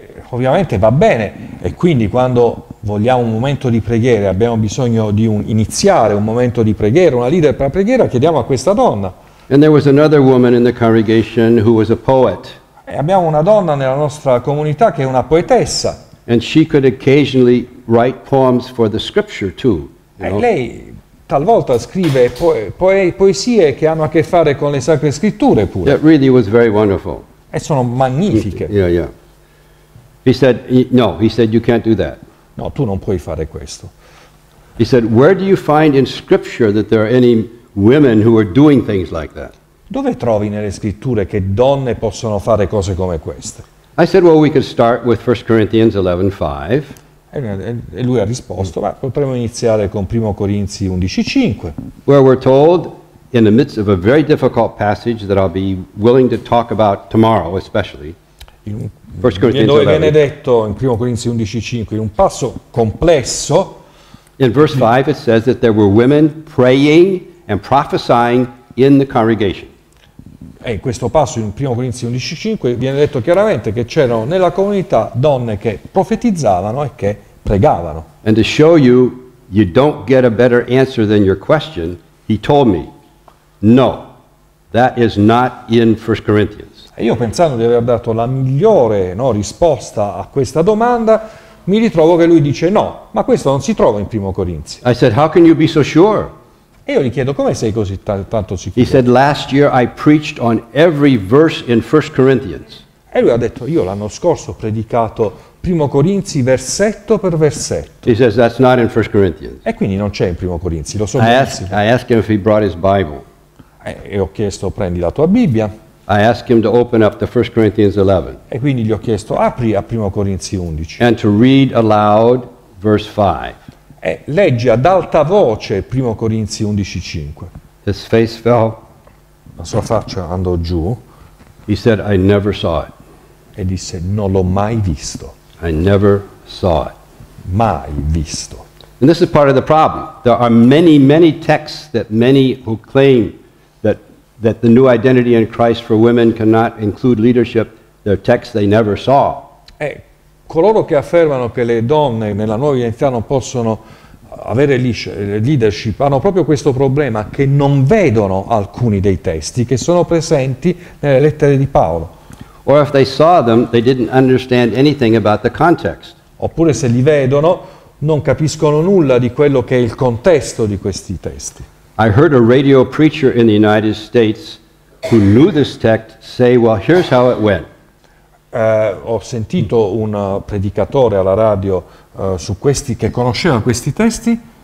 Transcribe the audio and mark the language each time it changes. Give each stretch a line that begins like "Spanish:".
Italian: Ovviamente va bene, e quindi quando vogliamo un momento di preghiera, abbiamo bisogno di iniziare un momento di preghiera, una leader per la preghiera, chiediamo a questa donna.
English: And there was another woman in the congregation who was a poet.
Italian: E abbiamo una donna nella nostra comunità che è una poetessa.
English: And she could occasionally write poems for the scripture too.
Italian: E lei talvolta scrive poesie che hanno a che fare con le sacre scritture pure.
English: That really was very wonderful.
Italian: E sono magnifiche.
English: Yeah, yeah. He said, "No." He said, "You can't do that."
Italian: No, tu non puoi fare questo.
English: He said, "Where do you find in Scripture that there are any women who are doing things like that?"
Italian: Dove trovi nelle scritture che donne possono fare cose come queste?
English: I said, "Well, we could start with 1 Corinthians 11:5."
Italian: E lui ha risposto, ma potremmo iniziare con 1 Corinzi 11:5.
English: Where we're told in the midst of a very difficult passage that I'll be willing to talk about tomorrow especially.
Italian: Dove viene detto in 1 Corinzi 11:5, in un passo complesso.
English: In verse 5 it says that there were women praying and prophesying in the congregation.
Italian: E in questo passo in 1 Corinzi 11:5 viene detto chiaramente che c'erano nella comunità donne che profetizzavano e che pregavano.
English: And to show you don't get a better answer than your question, he told me, "No, that is not in 1 Corinthians."
Italian: E io, pensando di aver dato la migliore, no, risposta a questa domanda, mi ritrovo che lui dice no, ma questo non si trova in 1 Corinzi.
English: I said, "How can you be so sure?"
Italian: E io gli chiedo, come sei così tanto sicuro?
English: He said, "Last year I preached on every verse in 1 Corinthians."
Italian: E lui ha detto, "Io l'anno scorso ho predicato 1 Corinzi versetto per versetto."
English: He says, "That's not in 1 Corinthians."
Italian: E quindi non c'è in 1 Corinzi, lo so.
English: I asked him if he brought his Bible.
Italian: E ho chiesto, prendi la tua Bibbia.
English: I asked him to open up to 1 Corinthians 11.
Italian: E quindi gli ho chiesto, apri a 1 Corinzi 11.
English: And to read aloud verse 5.
Italian: E legge ad alta voce 1 Corinzi 11:5.
English: His face fell.
Italian: La sua faccia andò giù.
English: He said, "I never saw it."
Italian: E disse, "Non l'ho mai visto."
English: I never saw it.
Italian: Mai visto.
English: And this is part of the problem. There are many, many texts that many who claim that the new identity in Christ for women cannot include leadership, they're texts they never saw.
Italian: Coloro che affermano che le donne nella nuova identità non possono avere leadership hanno proprio questo problema, che non vedono alcuni dei testi che sono presenti nelle lettere di Paolo.
English: Or if they saw them, they didn't understand anything about the context.
Italian: Oppure se li vedono, non capiscono nulla di quello che è il contesto di questi testi.
English: I heard a radio preacher in the United States who knew this text say, well, here's how it went.
Italian: Ho sentito un predicatore alla radio su questi che conosceva questi testi.